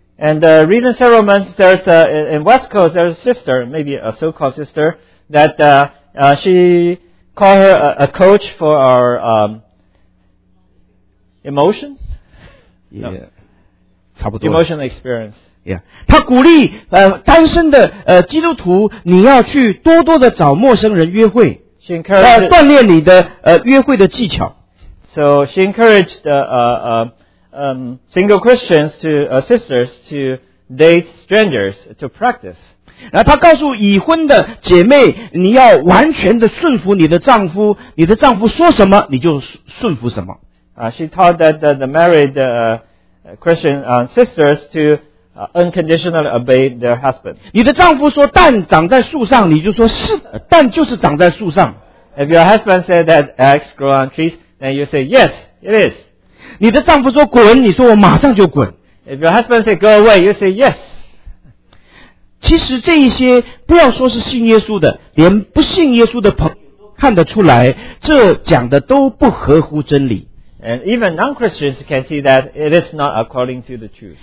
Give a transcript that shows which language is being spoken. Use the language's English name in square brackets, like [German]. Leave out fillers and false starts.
[English] And recent several months, there's a, in West Coast, there's a sister, maybe a so-called sister, that she called her a coach for our emotion? [Chinese] Yeah, 差不多。 [English] Emotional experience. Yeah. [Chinese] 她鼓励单身的基督徒，你要去多多的找陌生人约会。 [English] She encouraged, [Chinese] 锻炼你的约会的技巧。 [English] So she encouraged single Christians to sisters to date strangers to practice. [Chinese] 然后她告诉已婚的姐妹，你要完全的顺服你的丈夫，你的丈夫说什么你就顺服什么。 [English] She taught that the married Christian sisters to unconditionally obey their husband. [Chinese] 你的丈夫说蛋长在树上，你就说是蛋就是长在树上。 [English] If your husband said that eggs grow on trees, then you say yes, it is. [Chinese] 你的丈夫说滚，你说我马上就滚。 [English] If your husband said go away, you say yes. [Chinese] 其实这一些不要说是信耶稣的，连不信耶稣的朋友都看得出来，这讲的都不合乎真理。 [English] And even non-Christians can see that it is not according to the truth.